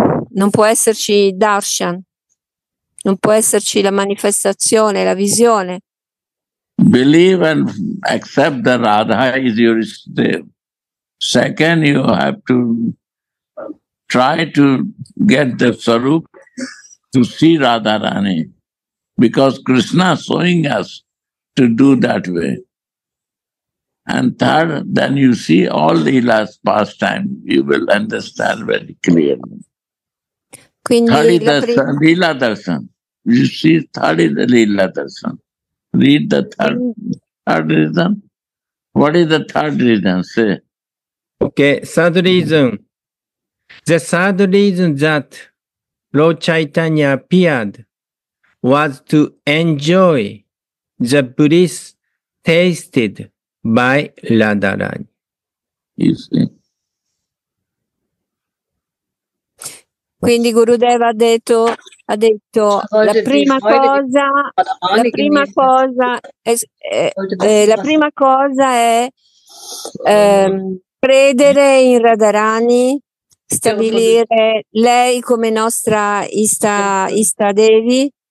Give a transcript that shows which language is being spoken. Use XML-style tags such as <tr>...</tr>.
<it>Non può esserci darshan, non può esserci la manifestazione, la visione.</it> <en>Believe and accept that Radha is your step. Second, you have to try to get the Sarup to see Radharani, because Krishna is showing us to do that way. And third, then you see all the last pastime, you will understand very clearly.</en> <it>Quindi</it> <en>third is Leela Darshan. You see, third is Leela Darshan. Read the third reason. What is the third reason? Say. Okay, third reason. The third reason that Lord Chaitanya appeared was to enjoy the bliss tasted by Radharani. You see.</en> <it>Quindi Gurudeva ha detto la prima cosa è credere in Radharani, stabilire lei come nostra Istadevi.</it>